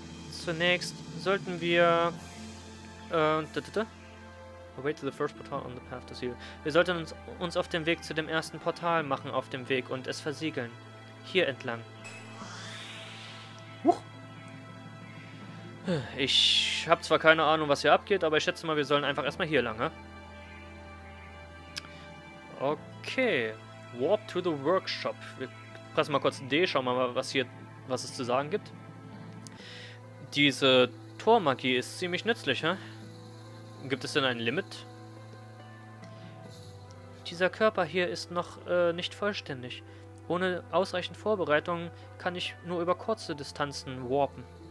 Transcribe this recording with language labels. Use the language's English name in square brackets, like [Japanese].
[German] Zunächst sollten wir [English] wait to the first portal on the path to seal. [German] Wir sollten uns auf dem Weg zu dem ersten Portal machen auf dem Weg und es versiegeln. Hier entlang. Huch. Ich habe zwar keine Ahnung, was hier abgeht, aber ich schätze mal, wir sollen einfach erstmal hier lang, ne? [English] Okay, warp to the workshop. [German] Wir pressen mal kurz D, schauen mal, was es zu sagen gibt. Diese Tormagie ist ziemlich nützlich, hä? Gibt es denn ein Limit? Dieser Körper hier ist noch nicht vollständig. Ohne ausreichend Vorbereitung kann ich nur über kurze Distanzen warpen.